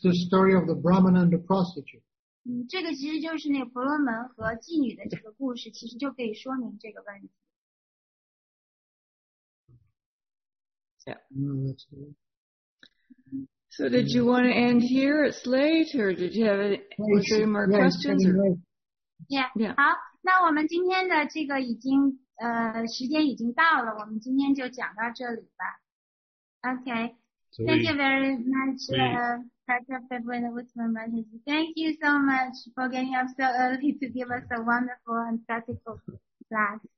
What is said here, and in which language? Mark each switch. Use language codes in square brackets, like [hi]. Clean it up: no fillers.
[en] the story of the Brahman and the prostitute. [zh] 这个其实就是那婆罗门和妓女的这个故事，其实就可以说明这个问题。 [en] Yeah. So did you want to end here? It's late, or did you have any more questions? Yeah. [zh] 好，那我们今天的这个已经时间已经到了，我们今天就讲到这里吧。 [en] Okay. So thank you very much, Pastor Fabian Wittmann. Thank you so much for getting up so early to give us a wonderful and practical class.